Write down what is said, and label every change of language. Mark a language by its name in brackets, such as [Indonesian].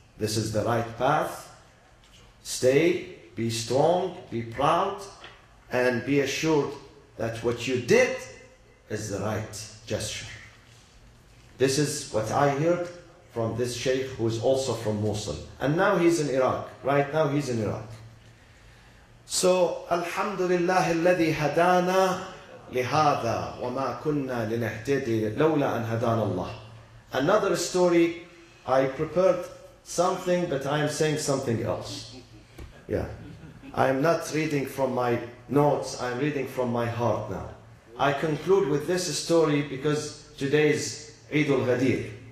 [English] This is the right path. Stay, be strong, be proud, and be assured that what you did is the right gesture. This is what I heard from this sheikh, who is also from Mosul. And now he's in Iraq. Right now he's in Iraq. [Arabic] So, Alhamdulillah, الذي هدانا لهذا وما كنا لنهتدي لولا أن هدانا الله. [English] Another story, I prepared something, but I am saying something else. Yeah. I am not reading from my notes, I am reading from my heart now. I conclude with this story because today is Eid al-Ghadir.